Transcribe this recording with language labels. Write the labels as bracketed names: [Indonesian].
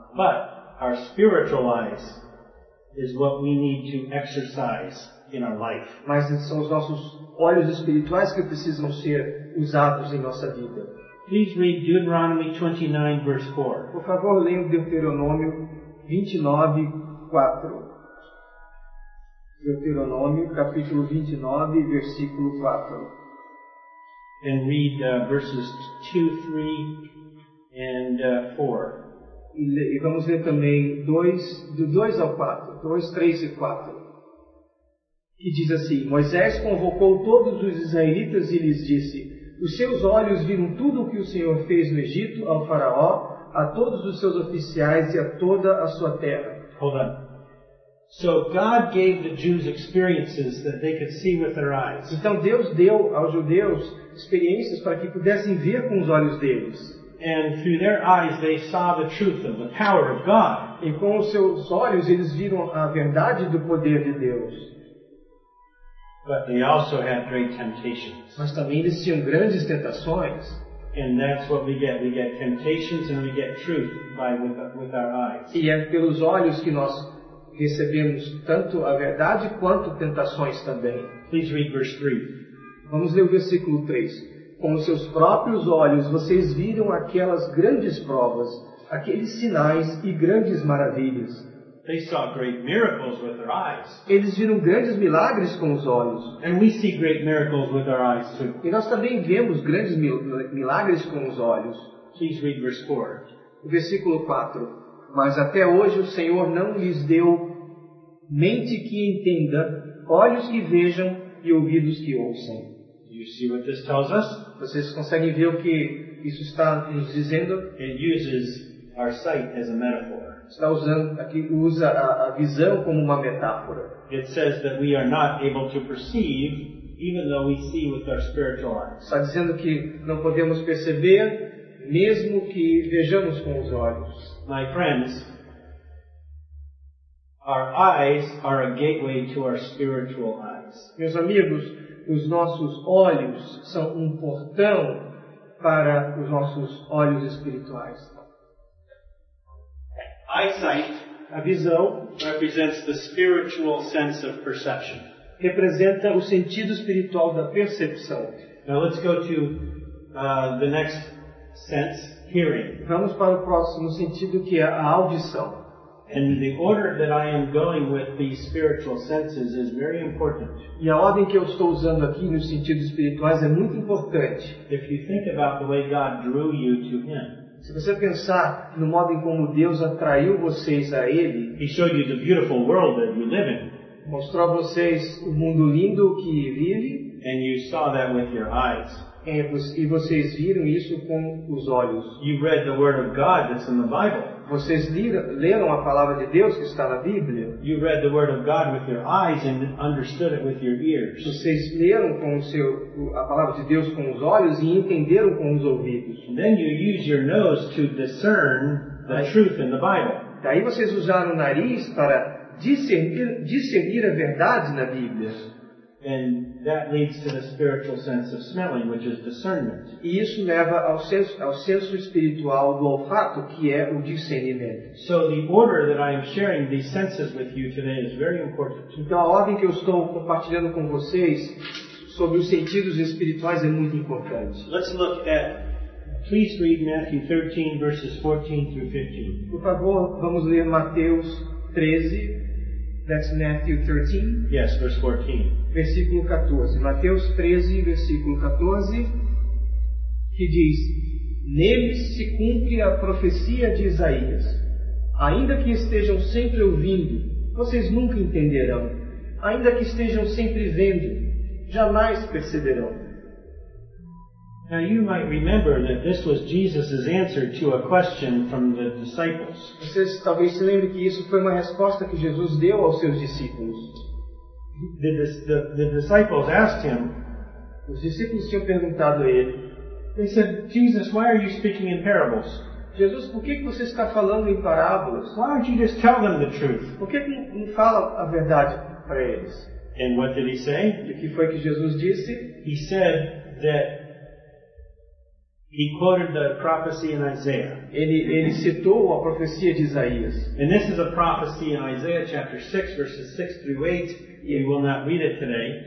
[English] But our spiritual eyes is what we need to exercise in our life. [Portuguese] Mas são os nossos olhos espirituais que precisam ser usados em nossa vida. [English] Please read Deuteronomy 29, verse 4. [Portuguese] Por favor, leia Deuteronômio 29, 4. Deuteronômio, capítulo 29, versículo 4. [English] And read verses 2, 3, and 4. [Portuguese] E vamos ler também do 2 ao 4, 2, 3 e 4. E diz assim, Moisés convocou todos os israelitas e lhes disse, os seus olhos viram tudo o que o Senhor fez no Egito, ao faraó, a todos os seus oficiais e a toda a sua terra. [English] Hold on. So God gave the Jews experiences that they could see with their eyes. [Portuguese] Então Deus deu aos judeus experiências para que pudessem ver com os olhos deles. [English] And through their eyes they saw the truth of the power of God. [Portuguese] E com os seus olhos eles viram a verdade do poder de Deus. [English] But they also had great temptations. [Portuguese] Mas também eles tinham grandes tentações. [English] And that's what we get temptations and we get truth by with our eyes. [Portuguese] E é pelos olhos que nós recebemos tanto a verdade quanto tentações também. [English] Please read verse 3. [Portuguese] Vamos ler o versículo 3. Com os seus próprios olhos, vocês viram aquelas grandes provas, aqueles sinais e grandes maravilhas. [English] They saw great miracles with their eyes. [Portuguese] Eles viram grandes milagres com os olhos. [English] And we see great miracles with our eyes too. [Portuguese] E nós também vemos grandes milagres com os olhos. [English] Please read verse 4. [Portuguese] O versículo 4. Mas até hoje o Senhor não lhes deu mente que entenda, olhos que vejam e ouvidos que ouçam. [English] You see what this tells us? [Portuguese] Vocês conseguem ver o que isso está nos dizendo? [English] It uses our sight as a metaphor. [Portuguese] Está usando aqui, usa a visão como uma metáfora. [English] It says that we are not able to perceive even though we see with our spiritual eyes. [Portuguese] Está dizendo que não podemos perceber mesmo que vejamos com os olhos. [English] My friends, our eyes are a gateway to our spiritual eyes. [Portuguese] Meus amigos, os nossos olhos são portão para os nossos olhos espirituais. [English] Eyesight, [Portuguese] a visão, [English] represents the spiritual sense of perception. [Portuguese] Representa o sentido espiritual da percepção. [English] Now let's go to the next sense, hearing. [Portuguese] Vamos para o próximo sentido, que é a audição. [English] And the order that I am going with these spiritual senses is very important. [Portuguese] E a ordem que eu estou usando aqui nos sentidos espirituais é muito importante. [English] If you think about the way God drew you to Him, [Portuguese] se você pensar no modo em como Deus atraiu vocês a Ele, [English] He showed you the beautiful world that you live in. [Portuguese] Mostrou a vocês o mundo lindo que vive. [English] And you saw that with your eyes. [Portuguese] E vocês viram isso com os olhos. [English] You read the word of God that's in the Bible. [Portuguese] Vocês leram a palavra de Deus que está na Bíblia. [English] You read the word of God with your eyes and understood it with your ears. [Portuguese] Vocês leram com o seu a palavra de Deus com os olhos e entenderam com os ouvidos. [English] And then you use your nose to discern the truth in the Bible. [Portuguese] Daí vocês usaram o nariz para discernir a verdade na Bíblia. [English] And that leads to the spiritual sense of smelling, which is discernment. [Portuguese] E isso leva ao senso espiritual do olfato, que é o discernimento. [English] So the order that I am sharing these senses with you today is very important. [Portuguese] Então a ordem que eu estou compartilhando com vocês sobre os sentidos espirituais é muito importante. [English] Let's look at, please read Matthew 13, verses 14 through 15. [Portuguese] Por favor, vamos ler Mateus 13. [English] That's Matthew 13. Yes, verse 14. [Portuguese] Versículo 14, Mateus 13, versículo 14, que diz: neles se cumpre a profecia de Isaías. Ainda que estejam sempre ouvindo, vocês nunca entenderão. Ainda que estejam sempre vendo, jamais perceberão. [English] Now you might remember that this was Jesus' answer to a question from the disciples. [Portuguese] Vocês talvez se lembrem que isso foi uma resposta que Jesus deu aos seus discípulos. [English] The disciples asked him. [Portuguese] Os discípulos tinham perguntado a ele. [English] They said, Jesus, why are you speaking in parables? [Portuguese] Jesus, por que você está falando em parábolas? [English] Why don't you just tell them the truth? [Portuguese] Por que não fala a verdade para eles? [English] And what did he say? [Portuguese] E que foi que Jesus disse? [English] He said that he quoted the prophecy in Isaiah. [Portuguese] Ele citou a profecia de Isaías. [English] And this is a prophecy in Isaiah chapter 6, verses 6 through 8. We will not read it today.